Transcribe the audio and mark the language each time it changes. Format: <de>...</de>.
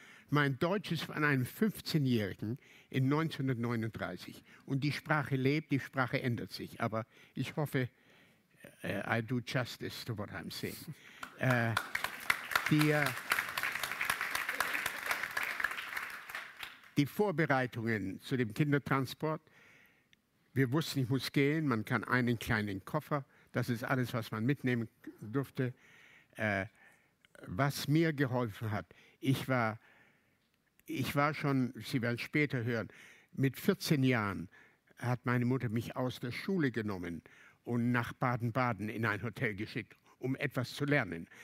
<de>Mein Deutsch ist von einem 15-Jährigen in 1939. Und die Sprache lebt, die Sprache ändert sich. Aber ich hoffe,</de> <en>I do justice to what I'm saying.</en> <de>Die Vorbereitungen zu dem Kindertransport, wir wussten, ich muss gehen, man kann einen kleinen Koffer, das ist alles, was man mitnehmen durfte. Was mir geholfen hat, ich war schon, Sie werden später hören, mit 14 Jahren hat meine Mutter mich aus der Schule genommen und nach Baden-Baden in ein Hotel geschickt, um etwas zu lernen.</de>